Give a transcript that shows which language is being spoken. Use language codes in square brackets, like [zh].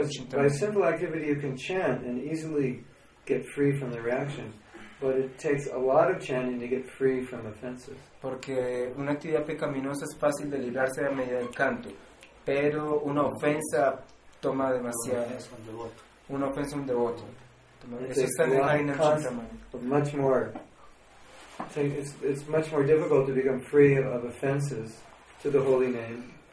[en] By simple activity you can chant and easily get free from the reaction, but it takes a lot of chanting to get free from offenses. [es] Porque una actividad pecaminosa es fácil de librarse a medida del canto, pero una ofensa toma demasiado. Una ofensa a un devoto. Eso está en la [en] It's much more difficult to become free of offenses to the holy name.